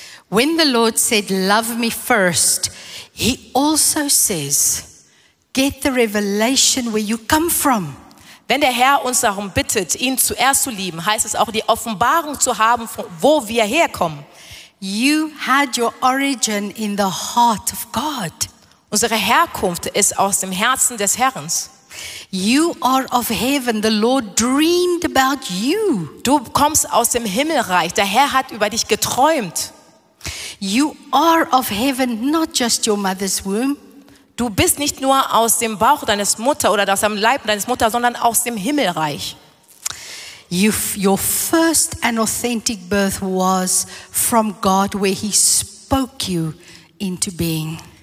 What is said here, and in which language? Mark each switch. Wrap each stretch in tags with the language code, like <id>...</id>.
<en>When the Lord said love me first, he also says get the revelation where you come from.</en> <de>Wenn der Herr uns darum bittet, ihn zuerst zu lieben, heißt es auch die Offenbarung zu haben, wo wir herkommen.</de> <en>You had your origin in the heart of God.</en> <de>Unsere Herkunft ist aus dem Herzen des Herrn.</de> <en>You are of heaven. The Lord dreamed about you.</en> <de>Du kommst aus dem Himmelreich. Der Herr hat über dich geträumt.</de> <en>You are of heaven, not just your mother's womb.</en> <de>Du bist nicht nur aus dem Bauch deines Mutter oder aus dem Leib deines Mutter, sondern aus dem Himmelreich.</de> <en>Your first and authentic birth was from God, where he spoke you into being.</en>